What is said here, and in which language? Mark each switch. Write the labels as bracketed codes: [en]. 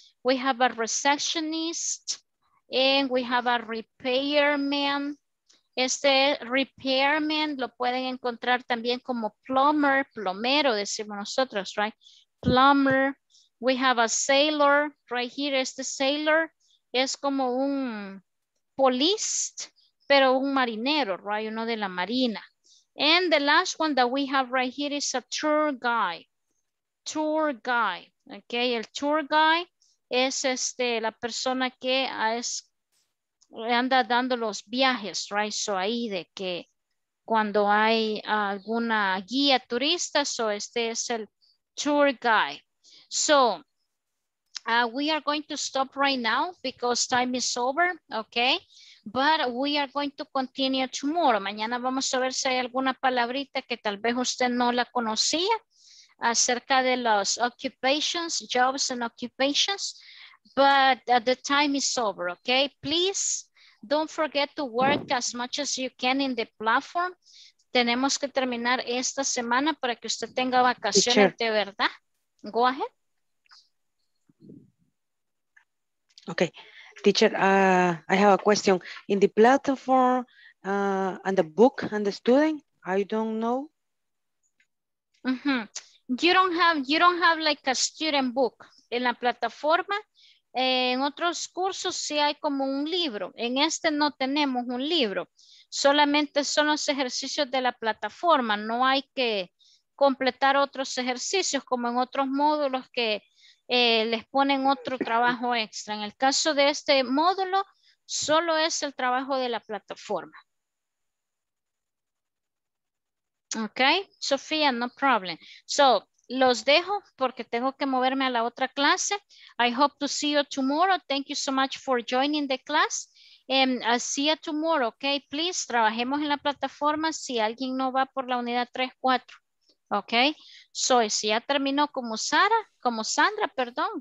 [en] We have a receptionist and we have a repairman. [es] Este repairman lo pueden encontrar también como plumber, plomero decimos nosotros, right? Plumber. [en] We have a sailor right here. [es] Este sailor es como un policía, pero un marinero, right? Uno de la marina. [en] And the last one that we have right here is a tour guide. Tour guy, okay. [es] El tour guy es este la persona que anda dando los viajes, right? So ahí de que cuando hay alguna guía turista. So este es el tour guide. [en] So we are going to stop right now because time is over, okay? But we are going to continue tomorrow. [es] Mañana vamos a ver si hay alguna palabrita que tal vez usted no la conocía acerca de los occupations, jobs and occupations. [en] But the time is over, okay? Please don't forget to work as much as you can in the platform. [es] Tenemos que terminar esta semana para que usted tenga vacaciones, sure, de verdad. [en] Go ahead. Okay. Teacher, I have a question. In the platform and the book and the student, I don't know. Mm-hmm. You don't have like a student book. [es] En la plataforma, en otros cursos sí hay como un libro. En este no tenemos un libro. Solamente son los ejercicios de la plataforma. No hay que completar otros ejercicios como en otros módulos que les ponen otro trabajo extra. En el caso de este módulo, solo es el trabajo de la plataforma. Ok, Sofía, [en] no problem. [es] So, los dejo porque tengo que moverme a la otra clase. [en] I hope to see you tomorrow. Thank you so much for joining the class. I'll see you tomorrow, ok? [es] Please, trabajemos en la plataforma si alguien no va por la unidad 3-4. Okay, so si ya terminó como Sara, como Sandra, perdón.